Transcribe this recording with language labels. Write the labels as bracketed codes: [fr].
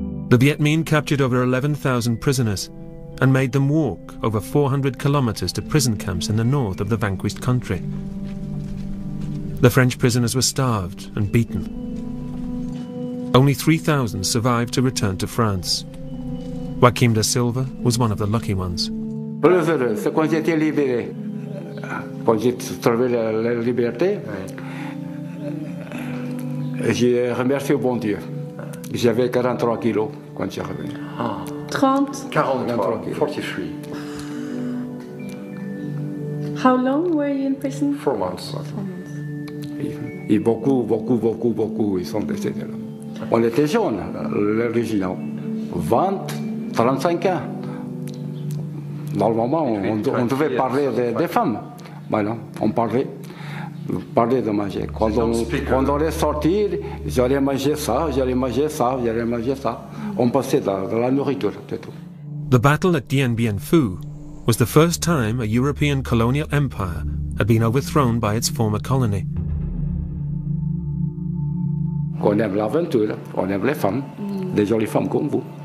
[en] The Viet Minh captured over 11,000 prisoners and made them walk over 400 kilometers to prison camps in the north of the vanquished country. The French prisoners were starved and beaten. Only 3,000 survived to return to France. Joaquim da Silva was one of the lucky ones. [fr] Plus heureux, c'est quand j'étais libéré. Quand j'ai trouvé la liberté, j'ai remercié au bon Dieu. J'avais 43 kilos. Quand j'y revenais. 43. [en] How long were you in prison? 4 months. 4 months. [fr] Et beaucoup, beaucoup, beaucoup, beaucoup, ils sont décédés là. On était jeunes, les régiments. 20, 35 ans. Normalement, on devait parler des femmes. Voilà, on parlait. Parler de manger. Quand on allait sortir, j'allais manger ça, j'allais manger ça, j'allais manger ça. On passait de la nourriture, c'est tout. [en] The battle at Dien Bien Phu was the first time a European colonial empire had been overthrown by its former colony. [fr] On aime l'aventure, on aime les femmes, des jolies femmes comme vous.